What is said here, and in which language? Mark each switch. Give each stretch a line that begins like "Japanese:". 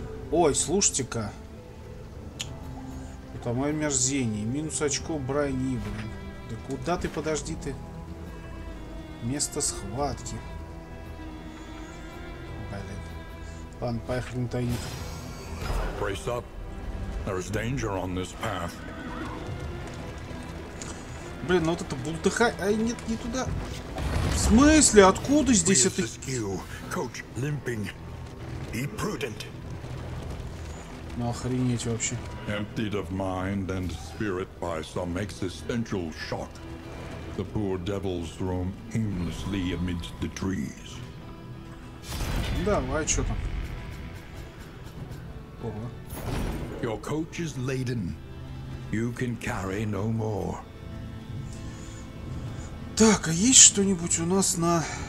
Russian: Ой, слушайте-ка. Это мое мерзение. Минус очко брони, блин. Да куда ты, подожди ты? Место схватки. Блин. Ладно, поехали на тайник.
English: Brace up. There is danger on this path.
Russian: Блин, ну вот это бултыхай... Ай, нет, не туда. В смысле? Откуда здесь это...
English: Coach Limping. Be prudent.
Russian: Ну охренеть вообще.
English: Emptied of mind and spirit by some existential shock, the poor devils roam aimlessly amidst the trees.
Russian: Давай, чё там? Ого.
English: Your coach is laden. You can carry no more.
Russian: Так, а есть что-нибудь у нас на...